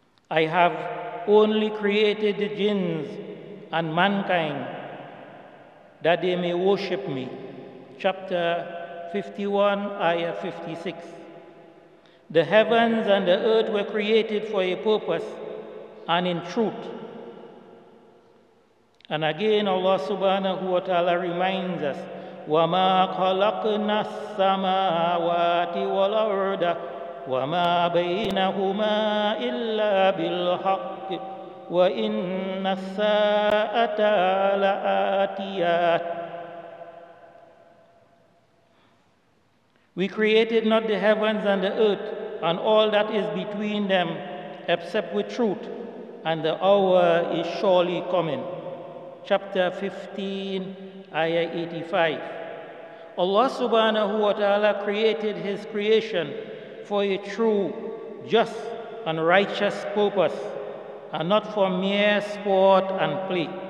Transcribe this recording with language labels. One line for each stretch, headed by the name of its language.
English: I have only created the jinns and mankind that they may worship me. Chapter 51, Ayah 56. The heavens and the earth were created for a purpose and in truth. And again, Allah subhanahu wa ta'ala reminds us,
Arabic: وَمَا خَلَقْنَا السَّمَاوَاتِ وَالْأَرْضَ وَمَا بَيْنَهُمَا إِلَّا بِالْحَقِّ وَإِنَّ السَّاءَةَ لَآتِيَةٌ.
English: We created not the heavens and the earth and all that is between them except with truth, and the hour is surely coming. Chapter 15, Ayah 85. Allah subhanahu wa ta'ala created His creation for a true, just, and righteous purpose, and not for mere sport and play.